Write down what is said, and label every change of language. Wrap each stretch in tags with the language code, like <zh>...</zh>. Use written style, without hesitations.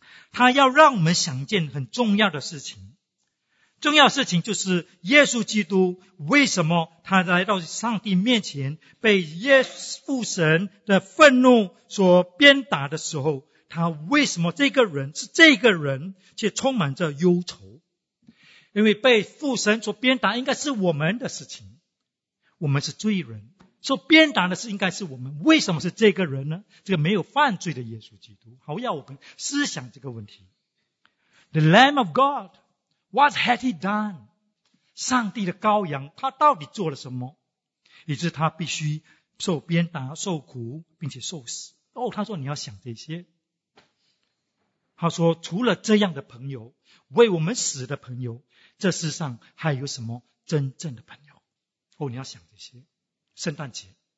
<zh>他要让我们想见很重要的事情，重要的事情就是耶稣基督为什么他来到上帝面前被耶父神的愤怒所鞭打的时候，他为什么这个人是这个人却充满着忧愁。因为被父神所鞭打应该是我们的事情，我们是罪人，所鞭打的是应该是我们，为什么是这个人呢？这个没有犯罪的耶稣基督。好，要我们思想这个问题。</zh> <en>The Lamb of God, what had he done?</en> <zh>上帝的羔羊他到底做了什么以致他必须受鞭打受苦并且受死？哦，他说你要想这些。他说除了这样的朋友，为我们死的朋友，这世上还有什么真正的朋友？哦，你要想这些。圣诞节。</zh>